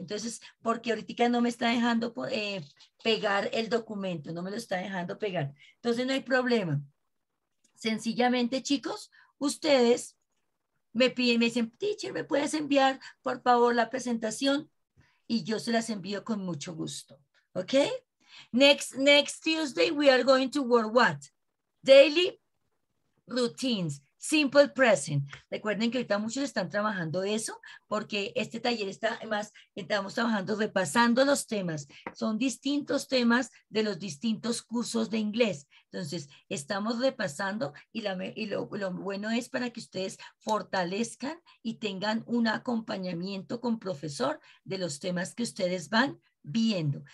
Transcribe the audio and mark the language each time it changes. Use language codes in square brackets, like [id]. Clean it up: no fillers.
[es] Entonces, porque ahorita no me está dejando pegar el documento, no me lo está dejando pegar. Entonces, no hay problema. Sencillamente, chicos, ustedes me piden, me dicen, teacher, ¿me puedes enviar, por favor, la presentación? Y yo se las envío con mucho gusto. ¿Ok? [en] Next Tuesday, we are going to work what? Daily routines. Simple present. [es] Recuerden que ahorita muchos están trabajando eso porque este taller está más, estamos trabajando repasando los temas. Son distintos temas de los distintos cursos de inglés. Entonces, estamos repasando y lo bueno es para que ustedes fortalezcan y tengan un acompañamiento con profesor de los temas que ustedes van viendo.